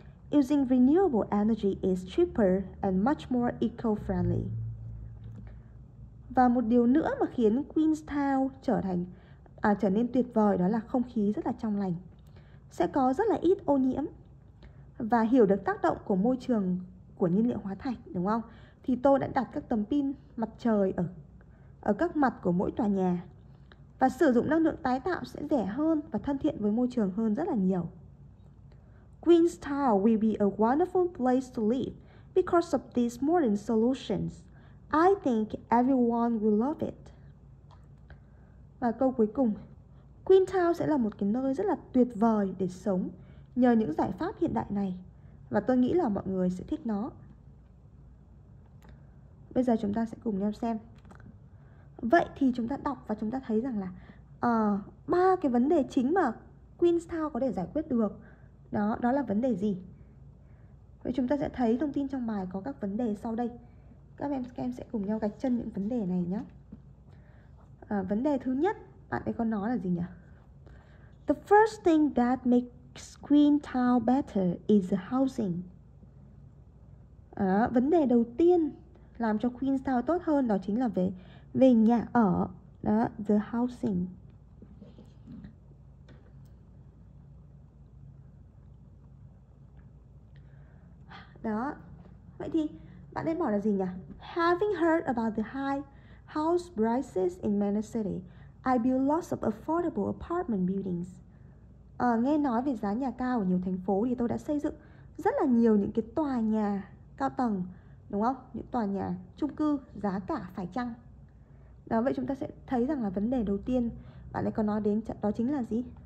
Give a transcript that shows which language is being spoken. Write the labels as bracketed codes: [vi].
[en] Using renewable energy is cheaper and much more eco-friendly. [vi] Và một điều nữa mà khiến Queenstown trở nên tuyệt vời đó là không khí rất là trong lành. Sẽ có rất là ít ô nhiễm. Và hiểu được tác động của môi trường của nhiên liệu hóa thạch, đúng không? Thì tôi đã đặt các tấm pin mặt trời ở các mặt của mỗi tòa nhà. Và sử dụng năng lượng tái tạo sẽ rẻ hơn và thân thiện với môi trường hơn rất là nhiều. [en] Queenstown will be a wonderful place to live because of these modern solutions. I think everyone will love it. [vi] Và câu cuối cùng, Queenstown sẽ là một cái nơi rất là tuyệt vời để sống nhờ những giải pháp hiện đại này. Và tôi nghĩ là mọi người sẽ thích nó. Bây giờ chúng ta sẽ cùng nhau xem. Vậy thì chúng ta đọc và chúng ta thấy rằng là ba cái vấn đề chính mà Queenstown có thể giải quyết được đó là vấn đề gì? Vậy chúng ta sẽ thấy thông tin trong bài có các vấn đề sau đây. Các em sẽ cùng nhau gạch chân những vấn đề này nhé. Vấn đề thứ nhất, bạn ấy có nói là gì nhỉ? [en] The first thing that makes Queenstown better is the housing. [vi] Vấn đề đầu tiên làm cho Queenstown tốt hơn đó chính là về nhà ở. Đó, [en] the housing. [vi] Đó, vậy thì bạn nên bỏ là gì nhỉ? [en] Having heard about the high house prices in many cities, I build lots of affordable apartment buildings. [vi] Nghe nói về giá nhà cao ở nhiều thành phố thì tôi đã xây dựng rất là nhiều những cái tòa nhà cao tầng, đúng không? Những tòa nhà chung cư giá cả phải chăng? Đó, vậy chúng ta sẽ thấy rằng là vấn đề đầu tiên bạn ấy có nói đến đó chính là gì?